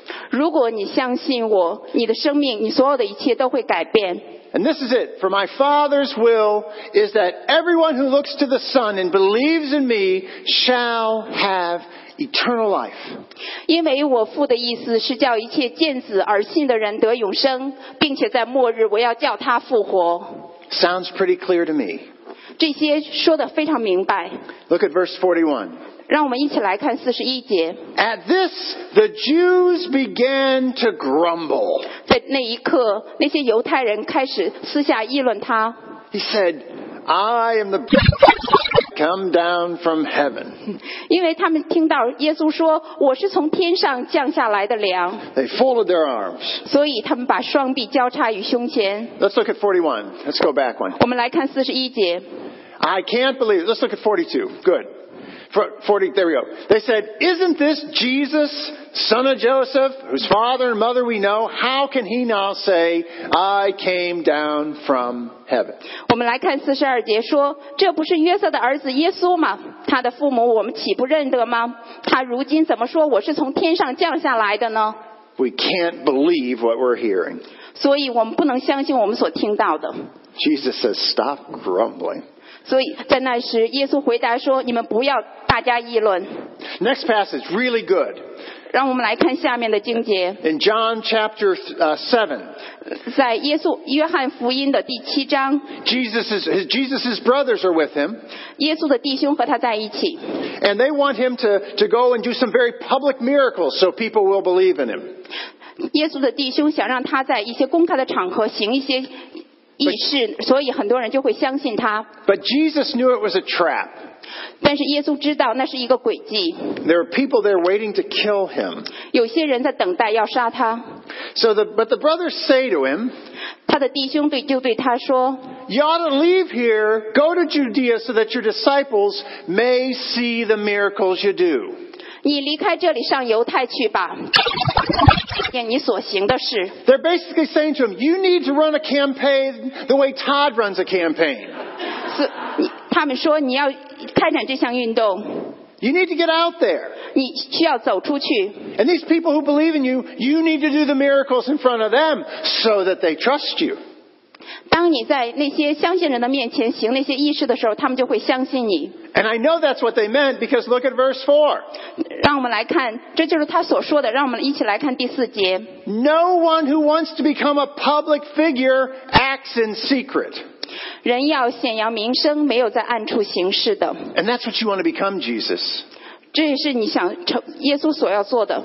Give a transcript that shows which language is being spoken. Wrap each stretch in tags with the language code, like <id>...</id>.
<zh>如果你相信我，你的生命，你所有的一切都会改变。</zh> <en>And this is it. For my Father's will is that everyone who looks to the Son and believes in me shall have eternal life.</en> <zh>因为我父的意思是叫一切见子而信的人得永生，并且在末日我要叫他复活。</zh> <en>Sounds pretty clear to me.</en> <zh>这些说得非常明白。</zh> <en>Look at verse 41.</en> <zh>让我们一起来看41节。</zh> <en>At this, the Jews began to grumble.</en> <zh>那一刻那些犹太人开始私下议论他</zh> <en>He said I am the come down from heaven</en> <zh>因为他们听到耶稣说我是从天上降下来的粮</zh> <en>They folded their arms</en> <zh>所以他们把双臂交叉于胸前</zh> <en>Let's look at 41 Let's go back one</en> <zh>我们来看41节</zh> <en>I can't believe it Let's look at 42 Good 40, there we go. They said, isn't this Jesus, son of Joseph, whose father and mother we know? How can he now say, I came down from heaven?</en> <zh>我们来看42节说，这不是约瑟的儿子耶稣吗？他的父母我们岂不认得吗？他如今怎么说我是从天上降下来的呢？</zh> <en>We can't believe what we're hearing.</en> <zh>所以我们不能相信我们所听到的。</zh> <en>Jesus says, stop grumbling.</en> <zh>所以在那时耶稣回答说你们不要大家议论</zh> <en>Next passage, really good</en> <zh>让我们来看下面的经节</zh> <en>In John chapter 7</en> <zh>在耶稣约翰福音的第七章</zh> <en>Jesus' brothers are with him</en> <zh>耶稣的弟兄和他在一起</zh> <en>And they want him to go and do some very public miracles so people will believe in him</en> <zh>耶稣的弟兄想让他在一些公开的场合行一些所以很多人就会相信他。</zh> <en>But Jesus knew it was a trap.</en> <zh>但是耶稣知道那是一个诡计。</zh> <en>There were people there waiting to kill him.</en> <zh>有些人在等待要杀他。</zh> <en>But the brothers say to him,</en> <zh>他的弟兄就对他说,</zh> <en>You ought to leave here, go to Judea so that your disciples may see the miracles you do.</en> <zh>你离开这里上犹太去吧。</zh> <en>They're basically saying to him, you need to run a campaign the way Todd runs a campaign.</en> <zh>他们说你要开展这项运动。</zh> <en>You need to get out there. And these people who believe in you, you need to do the miracles in front of them so that they trust you. And I know that's what they meant because look at verse 4.</en> <zh>让我们来看, 这就是他所说的, 让我们一起来看第四节。</zh> <en>No one who wants to become a public figure acts in secret.</en> <zh>人要显扬名声,</zh> <en>and that's what you want to become, Jesus.</en> <zh>这是你想成耶稣所要做的。</zh>